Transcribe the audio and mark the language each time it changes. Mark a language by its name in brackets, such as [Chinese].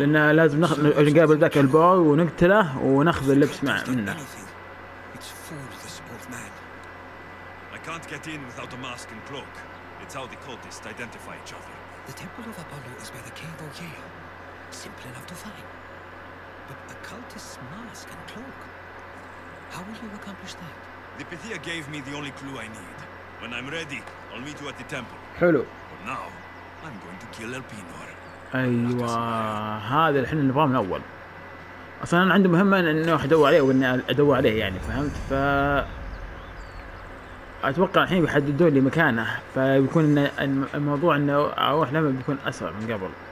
[Arabic] لأن لازم نقابل ذاك البور ونقتله وناخذ اللبس منه. [English] It's fool, this old man. I can't get in without a mask and cloak. It's how the cultists identify each other. The temple of Apollo is by the cave of Gaia. Simple enough to find. But a cultist's mask and cloak. How will you accomplish that? The Pythia gave me the only clue I need. When I'm ready, I'll meet you at the temple. [Arabic] حلو. [English] But now, I'm going to kill Elpinor. [Arabic] ايوه هذا الحين نبغاه من اول. اصلا انا عندي مهمه انه ادور عليه واني ادور عليه، يعني فهمت. ف اتوقع الحين بيحددوا لي مكانه، فبيكون الموضوع انه اروح لما بيكون اسرع من قبل.